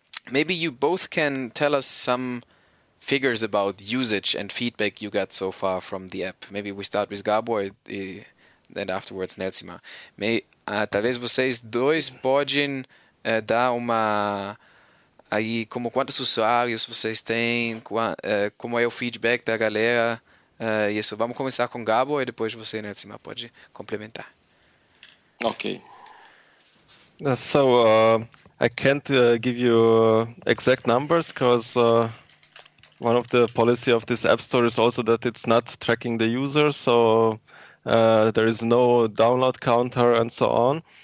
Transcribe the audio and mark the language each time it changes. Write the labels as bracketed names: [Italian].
[English] Maybe you both can tell us some figures about usage and feedback you got so far from the app. Maybe we start with Gabor e then afterwards Nelsima. [Portuguese] Talvez vocês dois podem dar uma aí como quantos usuários vocês têm, como é o feedback da galera. Isso. Vamos começar com Gabor e depois você, Nelsima, pode complementar. [English] Okay. So I can't give you exact numbers because one of the policy of this app store is also that it's not tracking the user, so there is no download counter and so on.